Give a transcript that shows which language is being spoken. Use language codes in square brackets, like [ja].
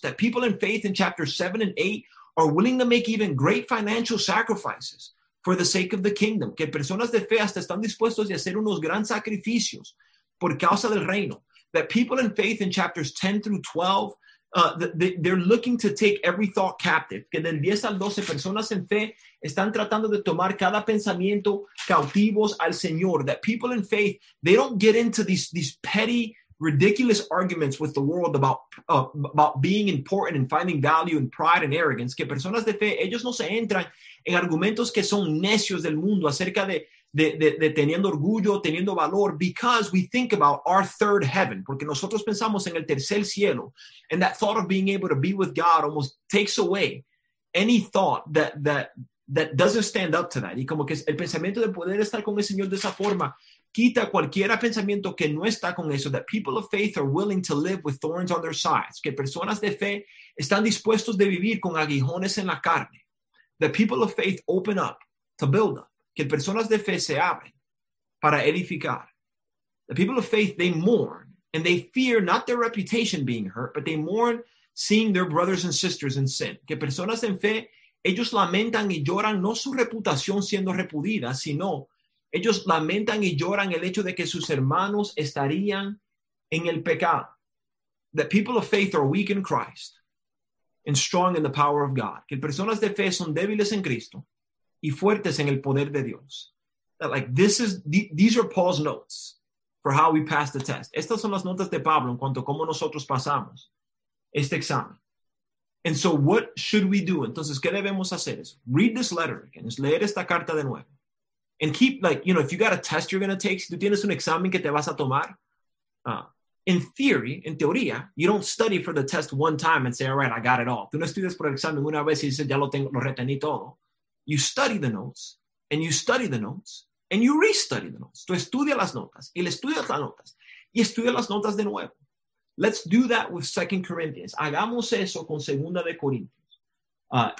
[en] That people in faith in chapter 7 and 8 are willing to make even great financial sacrifices for the sake of the kingdom. [es] Que personas de fe hasta están dispuestos a hacer unos grandes sacrificios por causa del reino. [en] That people in faith in chapters 10 through 12, they're looking to take every thought captive. [es] Que del 10 al 12, personas en fe están tratando de tomar cada pensamiento cautivos al Señor. [en] That people in faith, they don't get into these petty, ridiculous arguments with the world about being important and finding value and pride and arrogance. [es] Que personas de fe, ellos no se entran en argumentos que son necios del mundo acerca de teniendo orgullo, teniendo valor, [en] because we think about our third heaven, [es] porque nosotros pensamos en el tercer cielo, [en] and that thought of being able to be with God almost takes away any thought that doesn't stand up to that. [es] Y como que el pensamiento de poder estar con el Señor de esa forma quita cualquiera pensamiento que no está con eso. [en] That people of faith are willing to live with thorns on their sides, [es] que personas de fe están dispuestos de vivir con aguijones en la carne. [en] That people of faith open up to build up. [es] Que personas de fe se abren para edificar. [en] The people of faith, they mourn, and they fear not their reputation being hurt, but they mourn seeing their brothers and sisters in sin. [es] Que personas en fe, ellos lamentan y lloran no su reputación siendo repudida, sino ellos lamentan y lloran el hecho de que sus hermanos estarían en el pecado. [en] That people of faith are weak in Christ and strong in the power of God. [es] Que personas de fe son débiles en Cristo y fuertes en el poder de Dios. [en] That, like, these are Paul's notes for how we pass the test. [es] Estas son las notas de Pablo en cuanto a cómo nosotros pasamos este examen. [en] And so what should we do? [es] Entonces, ¿qué debemos hacer? Es [en] read this letter again. [es] Es leer esta carta de nuevo. [en] And keep, like, you know, if you got a test you're going to take, [es] si tú tienes un examen que te vas a tomar, [en] in theory, [es] in teoría, [en] you don't study for the test one time and say, all right, I got it all. [es] Tú no estudias por el examen una vez y dices, ya lo tengo, lo retení todo. [en] You study the notes, [es] and you study the notes, and you restudy the notes. Tú estudias las notas, y le estudias las notas, y estudias las notas de nuevo. [en] Let's do that with 2 Corinthians. [es] Hagamos eso con Segunda de Corintios.